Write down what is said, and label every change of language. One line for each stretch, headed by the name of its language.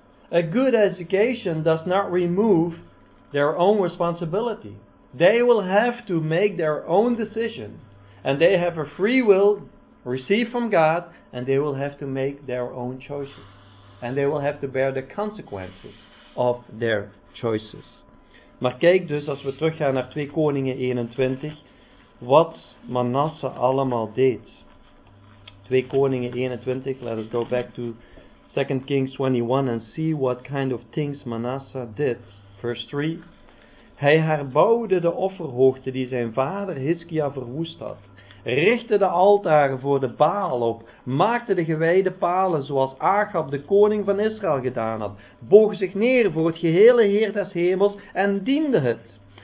English: A good education does not remove their own responsibility. They will have to make their own decision, and they have a free will received from God, and they will have to make their own choices, and they will have to bear the consequences of their choices.
Dutch: Maar kijk dus, als we teruggaan naar 2 Koningen 21, wat Manasse allemaal deed.
English: 2 Koningen 21, let us go back to 2 Kings 21 and see what kind of things Manasse did. Verse 3.
Dutch: Hij herbouwde de offerhoogte die zijn vader Hiskia verwoest had, richtte de altaren voor de Baal op, maakte de gewijde palen zoals Achab de koning van Israël gedaan had, boog zich neer voor het gehele Heer des Hemels en diende het.